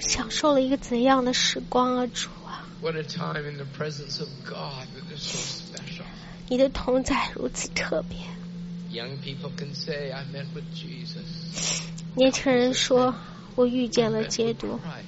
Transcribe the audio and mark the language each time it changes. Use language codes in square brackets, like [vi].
[zh] 享受了一个怎样的时光啊，主啊。 [en] What a time in the presence of God that is so special. [zh] 你的同在如此特别。 [en] Young people can say, I met with Jesus. [zh] 年轻人说，我遇见了基督。